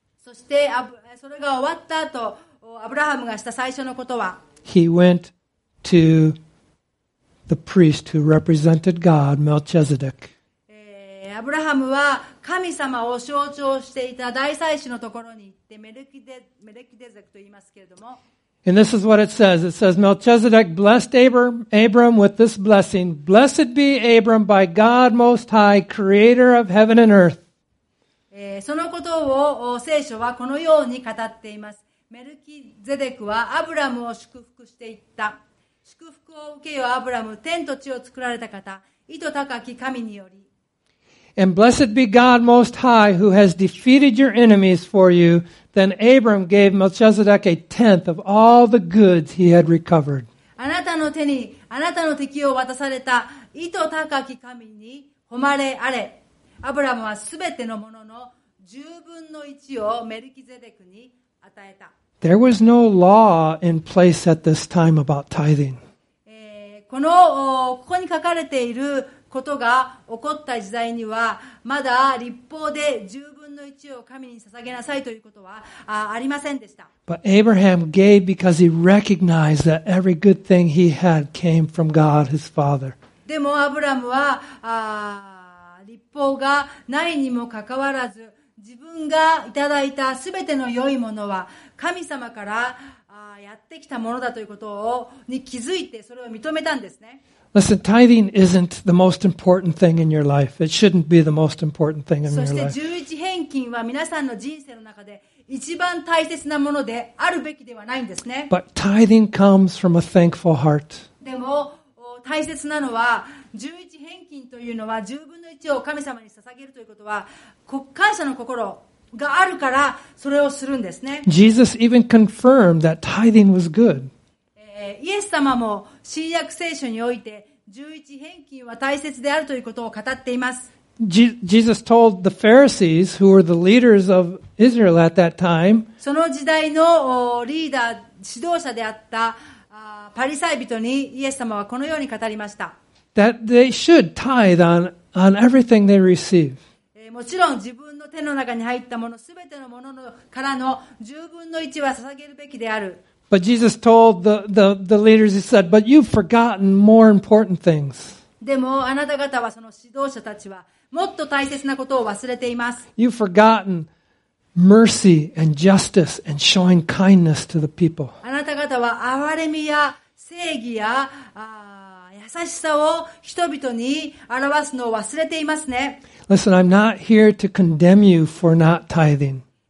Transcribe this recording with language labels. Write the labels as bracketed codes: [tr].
[ja] そして、それが終わった後、アブラハムがした最初のことは、 [en] He went to the priest who represented God, Melchizedek. [ja] アブラハムは神様を象徴していた大祭司のところに行って、メルキゼデクと言いますけれども。 [en] And this is what it says. It says, Melchizedek blessed Abram with this blessing. Blessed be Abram by God Most High, Creator of heaven and earth. [ja] そのことを聖書はこのように語っています。メルキゼデクはアブラムを祝福していった。祝福を受けよアブラム、天と地を作られた方、意図高き神により。 [en] And blessed be God Most High who has defeated your enemies for you. Then Abram gave Melchizedek a tenth of all the goods he had recovered. [ja] あなたの手に、あなたの敵を渡された意図高き神に誉れあれ。アブラムはすべてのものの十分の一をメルキゼデクに与えた。 [en] There was no law in place at this time about tithing. [ja] このここに書かれていることが起こった時代にはまだ立法で十分の一を神に捧げなさいということはありませんでした。 [en] But Abraham gave because he recognized that every good thing he had came from God, his father. [ja] でもアブラムは立法がないにもかかわらず自分がいただいたすべての良いものは神様からやってきたものだということに気づいてそれを認めたんですね。 [en] Listen, tithing isn't the most important thing in your life. It shouldn't be the most important thing in your life. [ja] そして十一返金は皆さんの人生の中で一番大切なものであるべきではないんですね。 [en] But tithing comes from a thankful heart. [ja] でも大切なのは十一返金というのは十分の一を神様に捧げるということは感謝の心があるからそれをするんですね。 [en] Jesus even confirmed that tithing was good. [ja] イエス様も新約聖書において十一返金は大切であるということを語っています。 [en] Jesus told the Pharisees, who were the leaders of Israel at that time, [ja] その時代のリーダー指導者であったパリサイ人にイエス様はこのように語りました。 [en] That they should tithe on everything they receive. [ja] もちろん自分の手の中に入ったものすべてのものからの十分の一は捧げるべきである。 [en] But Jesus told the leaders, he said, but you've forgotten more important things. [ja] でもあなた方はその指導者たちはもっと大切なことを忘れています。 [en] You've forgotten mercy and justice and showing kindness to the people. [ja] あなた方は憐れみや正義や優しさを人々に表すのを忘れていますね。 [en] Listen, I'm not here to condemn you for not tithing.